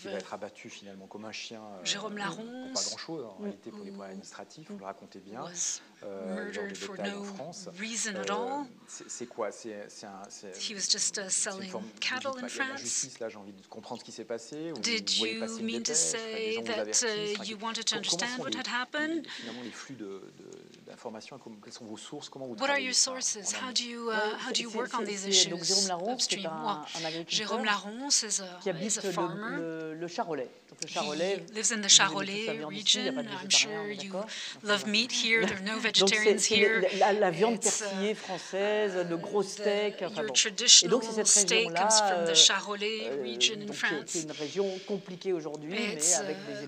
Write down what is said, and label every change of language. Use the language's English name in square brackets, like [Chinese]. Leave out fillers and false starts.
[French] qui va être abattu finalement comme un chien. Jérôme Larron. Pas grand-chose en réalité pour les points administratifs. Vous le racontez bien. [English] Murdered for no reason at all. [French] C'est quoi? C'est [English] he was just selling cattle in France. [French] La justice, là, j'ai envie de comprendre ce qui s'est passé. [English] Did you mean to say that you wanted to understand what had happened? [French] Finalement, les flux de information, quelles sont vos sources, comment vous [English] what are your sources? How do you work on these issues? [French] Donc Jérôme Larron, [English] upstream. [French] C'est un agriculteur. Jérôme Larron, c'est un qui habite [English] a farmer. [French] Le Charolais. Donc le Charolais. [English] He lives in the Charolais region. I'm sure you love meat here. There are no vegetarians here. [French] La viande persillée française, le gros steak. [English] Your traditional steak comes from the Charolais region in France. [French] C'est une région compliquée aujourd'hui, mais avec des élevages